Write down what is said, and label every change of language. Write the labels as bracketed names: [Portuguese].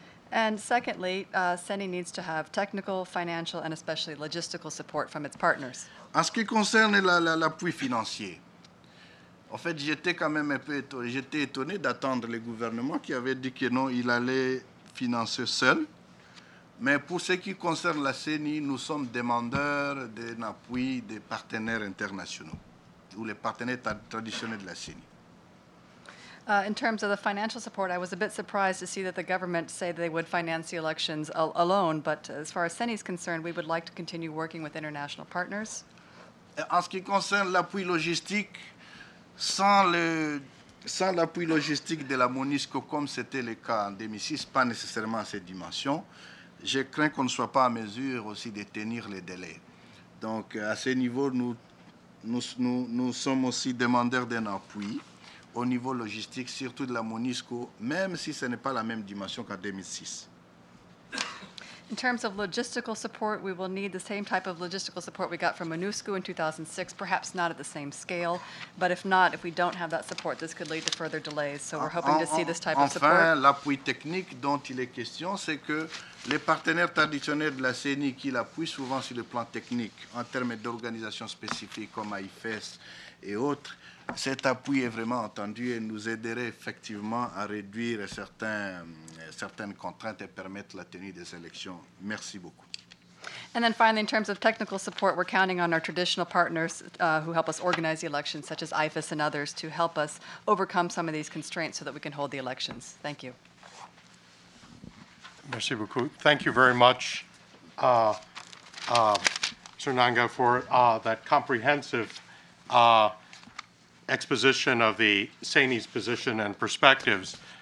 [English] And secondly, CENI needs to have technical, financial, and especially logistical support from its partners. [French] En ce qui concerne l'appui financier, en fait, j'étais quand même un peu étonné, j'étais étonné d'attendre le gouvernement qui avait dit que non, il allait financer seul. Mais pour ce qui concerne la CENI, nous sommes demandeurs d'un appui des partenaires internationaux, ou les partenaires traditionnels de la CENI. [English] In terms of the financial support, I was a bit surprised to see that the government say they would finance the elections alone, but as far as CENI is concerned, we would like to continue working with international partners. [French] En ce qui concerne l'appui logistique, sans l'appui logistique de la MONUSCO, comme c'était le cas en 2006, pas nécessairement à cette dimension, je crains qu'on ne soit pas en mesure aussi de tenir les délais. Donc, à ce niveau, nous sommes aussi demandeurs d'un appui au niveau logistique, surtout de la MONUSCO, même si ce n'est pas la même dimension qu'en 2006. [English] In terms of logistical support, we will need the same type of logistical support we got from MONUSCO in 2006, perhaps not at the same scale, but if not, if we don't have that support, this could lead to further delays, so we're hoping to see this type of support. [French] Enfin, l'appui technique dont il est question, c'est que les partenaires traditionnels de la CENI qui l'appuient souvent sur le plan technique, en termes d'organisation spécifique comme AIFES et autres, cet appui est vraiment entendu et nous aiderait effectivement à réduire certaines contraintes et permettre la tenue des élections. Merci beaucoup. [English] And then finally, in terms of technical support, we're counting on our traditional partners who help us organize the elections, such as IFAS and others, to help us overcome some of these constraints so that we can hold the elections. Thank you. [French] Merci beaucoup. [English] Thank you very much, Sir Nanga, for that comprehensive exposition of the CENI's position and perspectives.